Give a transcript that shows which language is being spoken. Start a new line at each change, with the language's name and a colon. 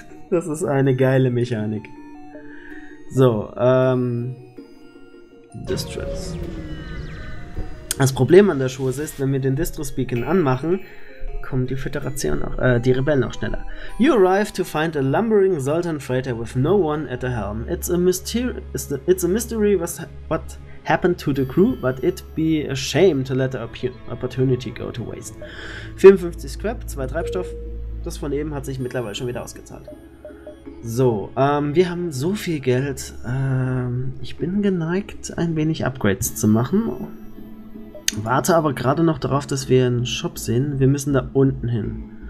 German: Das ist eine geile Mechanik. So, Distress. Das Problem an der Schuhe ist, wenn wir den Distress Beacon anmachen, kommen die Föderation noch, die Rebellen noch schneller.
English: You arrive to find a lumbering Zoltan freighter with no one at the helm. It's a mystery what happened to the crew, but it'd be a shame to let the opportunity go to waste.
German: 54 Scrap, 2 Treibstoff, das von eben hat sich mittlerweile schon wieder ausgezahlt. So, wir haben so viel Geld, ich bin geneigt, ein wenig Upgrades zu machen. Warte aber gerade noch darauf, dass wir einen Shop sehen. Wir müssen da unten hin.